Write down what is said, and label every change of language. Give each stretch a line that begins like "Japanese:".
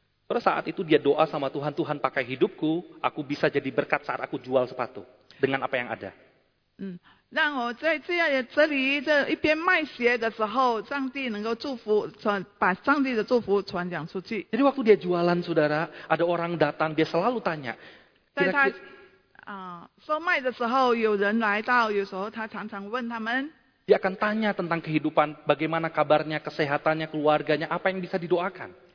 Indonesian: Terus saat itu dia doa sama Tuhan, Tuhan pakai hidupku, aku bisa jadi berkat saat aku jual sepatu dengan apa yang ada.
Chinese: 让我在这里一边卖鞋的时候，上帝能够祝福，把上帝的祝福传讲出去。
Indonesian: Jadi waktu dia jualan, saudara, ada orang datang, dia selalu tanya.
Chinese: 在他收卖的时候，有人来到，有时候他常常问他们。
Indonesian: Dia akan tanya tentang kehidupan, bagaimana kabarnya, kesehatannya, keluarganya, apa yang bisa didoakan.